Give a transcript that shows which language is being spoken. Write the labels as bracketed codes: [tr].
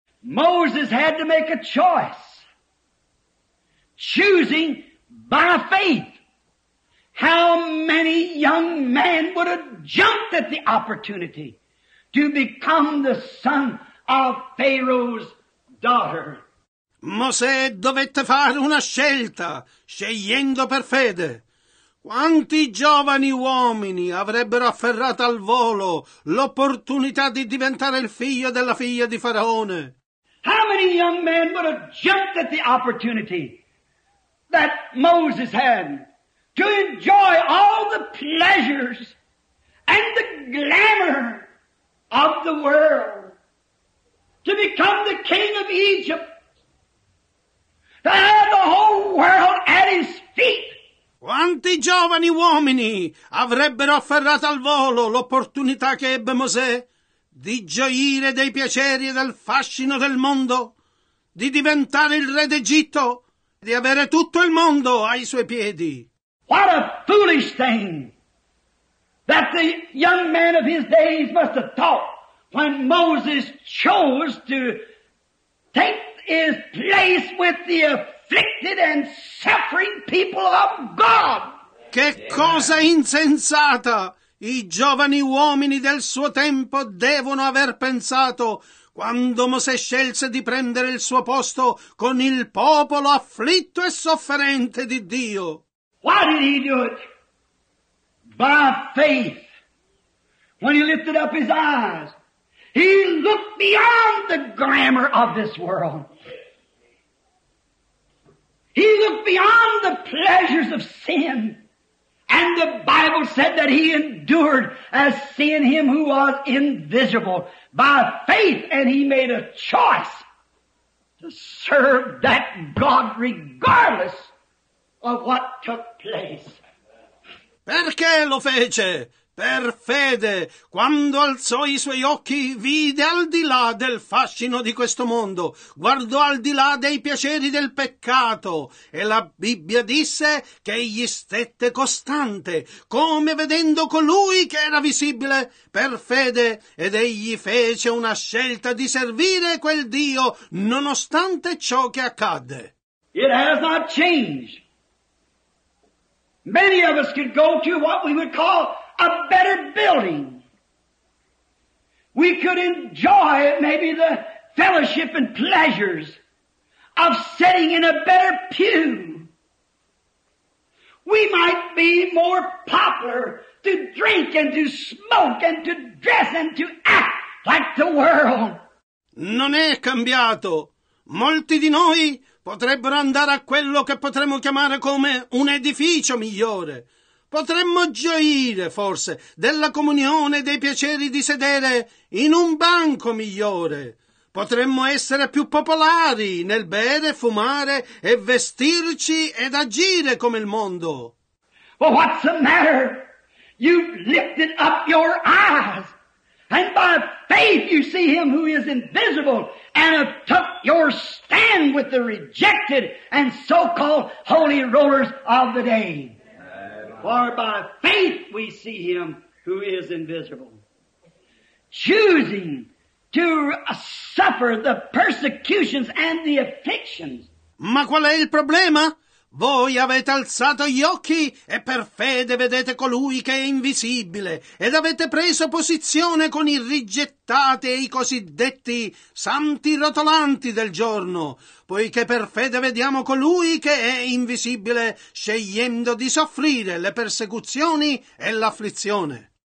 [en] Moses had to make a choice, choosing by faith. How many young men would have jumped at the opportunity to become the son of Pharaoh's daughter? [it] Mosè dovette fare una scelta, scegliendo per fede. Quanti giovani uomini avrebbero afferrato al volo l'opportunità di diventare il figlio della figlia di Faraone? [en] How many young men would have jumped at the opportunity that Moses had to enjoy all the pleasures and the glamour of the world, to become the king of Egypt, to have the whole world at his feet? [it] Quanti giovani uomini avrebbero afferrato al volo l'opportunità che ebbe Mosè di gioire dei piaceri e del fascino del mondo, di diventare il re d'Egitto, di avere tutto il mondo ai suoi piedi? [en] What a foolish thing that the young man of his days must have thought when Moses chose to take his place with the afflicted and suffering people of God. [it] Che cosa insensata i giovani uomini del suo tempo devono aver pensato quando Mosè scelse di prendere il suo posto con il popolo afflitto e sofferente di Dio. [en] Why did he do it? By faith. When he lifted up his eyes, he looked beyond the glamour of this world. He looked beyond the pleasures of sin. And the Bible said that he endured as seeing him who was invisible by faith, and he made a choice to serve that God regardless of what took place. [it] Perché lo fece? Per fede, quando alzò i suoi occhi, vide al di là del fascino di questo mondo, guardò al di là dei piaceri del peccato, e la Bibbia disse che egli stette costante, come vedendo colui che era visibile, per fede, ed egli fece una scelta di servire quel Dio, nonostante ciò che accadde. [en] It has not changed. Many of us could go to what we would call a better building. We could enjoy maybe the fellowship and pleasures of sitting in a better pew. We might be more popular to drink and to smoke and to dress and to act like the world. [it] Non è cambiato. Molti di noi potrebbero andare a quello che potremmo chiamare come un edificio migliore. Potremmo gioire, forse, della comunione e dei piaceri di sedere in un banco migliore. Potremmo essere più popolari nel bere, fumare e vestirci ed agire come il mondo. [en] Well, what's the matter? You've lifted up your eyes, and by faith you see him who is invisible, and have took your stand with the rejected and so-called holy rulers of the day. For by faith we see him who is invisible, choosing to suffer the persecutions and the afflictions. [it] Ma qual è il problema? Voi avete alzato gli occhi e per fede vedete colui che è invisibile ed avete preso posizione con i rigettati e i cosiddetti santi rotolanti del giorno, poiché per fede vediamo colui che è invisibile scegliendo di soffrire le persecuzioni e l'afflizione.